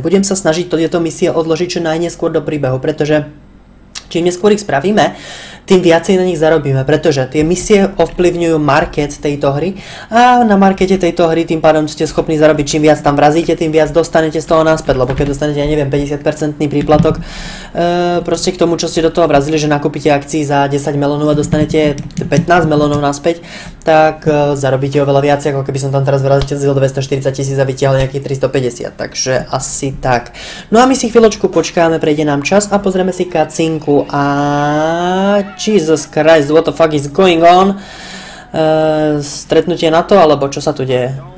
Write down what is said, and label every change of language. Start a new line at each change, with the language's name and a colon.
Slovak: Budem sa snažiť tieto misie odložiť čo najneskôr do príbehu, pretože čím neskôr ich spravíme, tým viacej na nich zarobíme, pretože tie misie ovplyvňujú market tejto hry a na markete tejto hry tým pádom ste schopní zarobiť, čím viac tam vrazíte, tým viac dostanete z toho naspäť, lebo keď dostanete, ja neviem, 50% príplatok proste k tomu, čo ste do toho vrazili, že nakúpite akcii za 10 melónov a dostanete 15 melónov naspäť, tak zarobíte oveľa viac, ako keby som tam teraz vrátil 240 tisíc a vytiahol nejakých 350, takže asi tak. No a my si chvíľočku počkáme, prejde nám čas a pozrieme si kacinku a...
English: Jesus Christ, what the fuck is going on?
Slovak: Stretnutie na to, alebo čo sa tu deje?